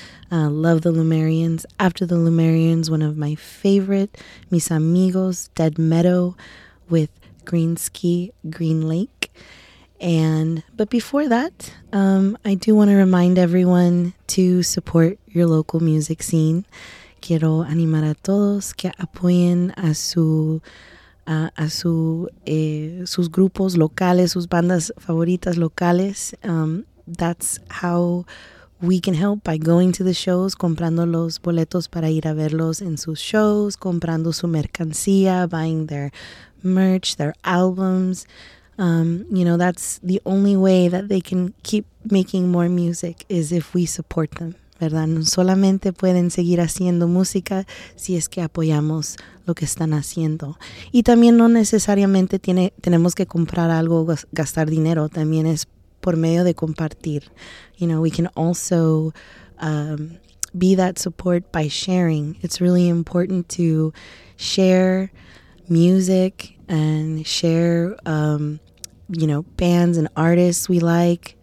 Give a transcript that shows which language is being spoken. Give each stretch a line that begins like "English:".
English: Love the Lumerians. After the Lumerians, one of my favorite, Mis Amigos, Dead Meadow with Green Ski, Green Lake. But before that, I do want to remind everyone to support your local music scene.
Spanish: Quiero animar a todos que apoyen a su sus grupos locales, sus bandas favoritas locales.
English: That's how we can help, by going to the shows,
Spanish: comprando los boletos para ir a verlos en sus shows, comprando su mercancía,
English: buying their merch, their albums. You know, that's the only way that they can keep making more music, is if we support them.
Spanish: ¿Verdad? No solamente pueden seguir haciendo música si es que apoyamos lo que están haciendo. Y también no necesariamente tenemos que comprar algo, gastar dinero. También es por medio de compartir.
English: You know, we can also be that support by sharing. It's really important to share music and share, you know, bands and artists we like.